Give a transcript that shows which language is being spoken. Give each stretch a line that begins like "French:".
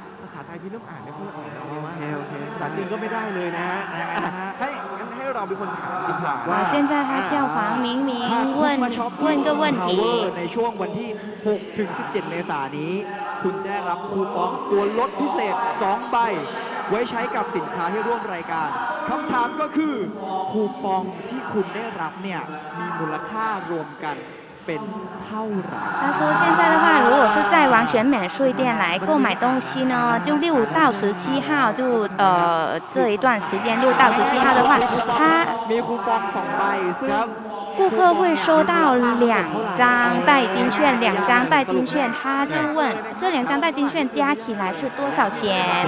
Thai: ภาษาไทยพี่เริ่มอ่านไม่ค่อยออกดีมาก โอเค ภาษาจีนก็ไม่ได้เลยนะให้เราเป็นคนถามคำถาม
Chinese: ว่า现在他叫黄明明问问个问题
Thai: ในช่วงวันที่6ถึง17เมษายนนี้คุณได้รับคูปองส่วนลดพิเศษ2ใบไว้ใช้กับสินค้าที่ร่วมรายการคำถามก็คือคูปองที่คุณได้รับเนี่ยมีมูลค่ารวมกันเป็นเท่าไหร่
Chinese: 他说现在的话如果是在王权免税店来购买东西呢就6到17号就这一段时间6到17号的话他
Thai: มีคูปอง2ใบซึ่ง
Chinese: 顾客会收到两张代金券，两张代金券，他就问这两张代金券加起来是多少钱？